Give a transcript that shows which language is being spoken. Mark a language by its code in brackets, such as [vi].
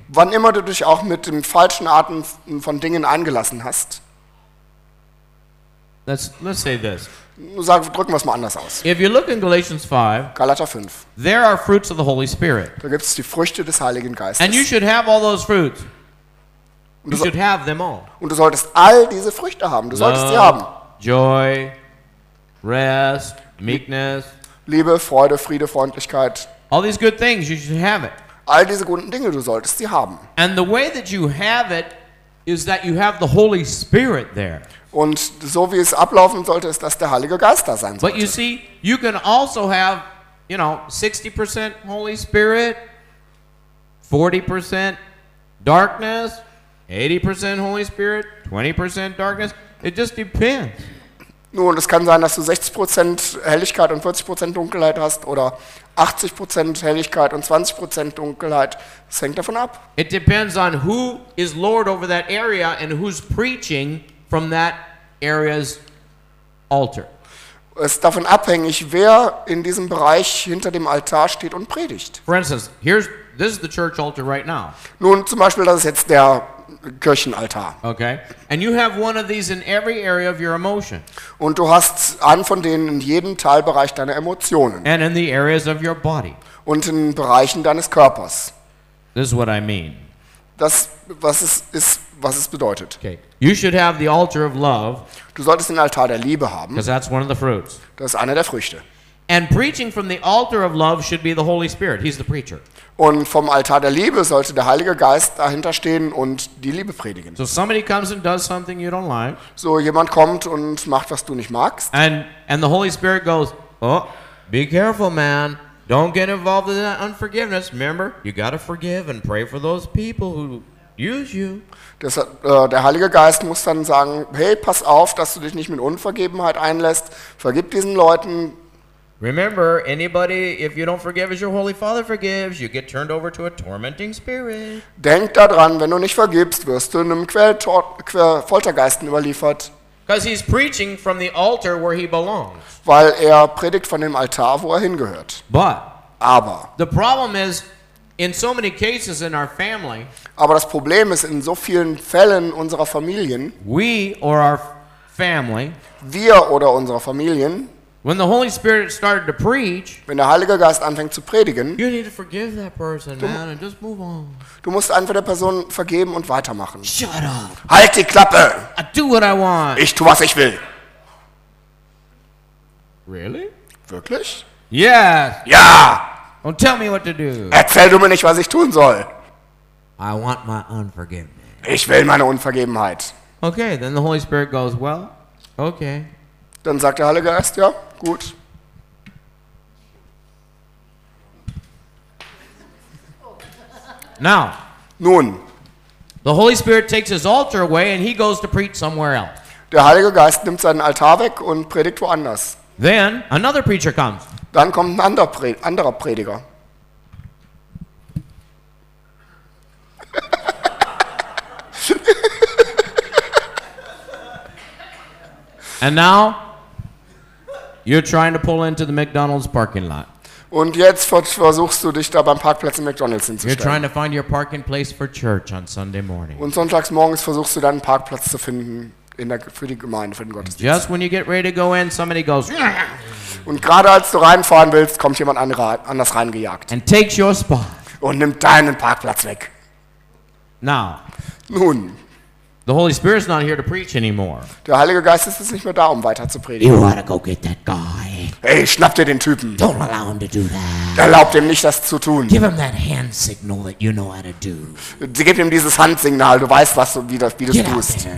[de] wann immer du dich auch mit dem falschen Arten von Dingen eingelassen hast, [en] let's say this. [de] Sag, drücken wir es mal anders aus. [en] If you look in Galatians 5, [de] Galater 5, [en] there are fruits of the Holy Spirit. [de] Da gibt es die Früchte des Heiligen Geistes. [en] And you should have all those fruits. You should have them all. [de] Und du solltest all diese Früchte haben. Du solltest sie haben. [en] Joy, rest, meekness. [de] Liebe, Freude, Friede, Freundlichkeit. [en] All these good things, you should have it. [de] All diese guten Dinge, du solltest sie haben. [en] And the way that you have it is that you have the Holy Spirit there. [de] Und so wie es ablaufen sollte, ist, dass der Heilige Geist da sein sollte. [en] But you see, you can also have, you know, 60% Holy Spirit, 40% darkness, 80% Holy Spirit, 20% darkness. It just depends. [de] Nun, es kann sein, dass du 60% Helligkeit und 40% Dunkelheit hast oder 80% Helligkeit und 20% Dunkelheit. Es hängt davon ab. [en] It depends on who is Lord over that area and who's preaching from that area's altar. [de] Es ist davon abhängig, wer in diesem Bereich hinter dem Altar steht und predigt. [en] For instance, this is the church altar right now. [de] Nun, zum Beispiel, das ist jetzt der Kirchenaltar. [en] Okay. And you have one of these in every area of your emotion. [de] Und du hast einen von denen in jedem Teilbereich deiner Emotionen. [en] And in the areas of your body. [de] Und in Bereichen deines Körpers. [en] This is what I mean. [de] Das, was es bedeutet. [en] Okay. You should have the altar of love. [de] Du solltest den Altar der Liebe haben. [en] Because that's one of the fruits. [de] Das ist einer der Früchte. [en] And preaching from the altar of love should be the Holy Spirit. He's the preacher. [de] Und vom Altar der Liebe sollte der Heilige Geist dahinter stehen und die Liebe predigen. [en] So somebody comes and does something you don't like. [de] So jemand kommt und macht, was du nicht magst. [en] And the Holy Spirit goes, oh, be careful, man. Don't get involved in that unforgiveness. Remember, you gotta forgive and pray for those people who use you. [de] Der Heilige Geist muss dann sagen, hey, pass auf, dass du dich nicht mit Unvergebenheit einlässt. Vergib diesen Leuten. [en] Remember, anybody, if you don't forgive as your Holy Father forgives, you get turned over to a tormenting spirit. [de] Denk daran, wenn du nicht vergibst, wirst du einem Foltergeisten überliefert. [en] Because he's preaching from the altar where he belongs. [de] Weil er predigt von dem Altar, wo er hingehört. [en] But [de] aber [en] the problem is, in so many cases in our family. [de] Aber das Problem ist, in so vielen Fällen unserer Familien. [en] We or our family. [de] Wir oder unsere Familien. [en] When the Holy Spirit started to preach, [de] wenn der Heilige Geist anfängt zu predigen, [en] you need to forgive that person, man, and just move on. [de] Du musst einfach der Person vergeben und weitermachen. [en] Shut up. [de] Halt die Klappe. [en] I do what I want. [de] Ich tue, was ich will. [en] Really? [de] Wirklich? [en] Yes. [de] Ja. [en] Don't tell me what to do. [de] Erzähl du mir nicht, was ich tun soll. [en] I want my unforgiveness. [de] Ich will meine Unvergebenheit. [en] Okay, then the Holy Spirit goes, well, okay. [de] Dann sagt der Heilige Geist, ja, gut. [en] Now, [de] nun, [en] the Holy Spirit takes his altar away and he goes to preach somewhere else. [de] Der Heilige Geist nimmt seinen Altar weg und predigt woanders. [en] Then another preacher comes. [de] Dann kommt ein anderer Prediger. [en] And now you're trying to pull into the McDonald's parking lot. [de] Und jetzt versuchst du dich da beim Parkplatz in McDonald's hinzustellen. [en] You're trying to find your parking place for church on Sunday morning. [de] Und sonntags morgens versuchst du deinen Parkplatz zu finden in der, für die Gemeinde, für den Gottesdienst. [en] Just when you get ready to go in, somebody goes. [de] Und gerade als du reinfahren willst, kommt jemand anders reingejagt. [en] And takes your spot. [de] Und nimmt deinen Parkplatz weg. [en] Now. [de] Nun. [en] The Holy Spirit is not here to preach anymore. [de] Der Heilige Geist ist jetzt nicht mehr da, um weiter zu predigen. [en] You wanna go get that guy. [de] Hey, schnapp dir den Typen. [en] Don't allow him to do that. [de] Erlaub ihm nicht, das zu tun. [en] Give him that hand signal that you know how to do. [de] Gib ihm dieses Handsignal, du weißt, was du, wie du es tust.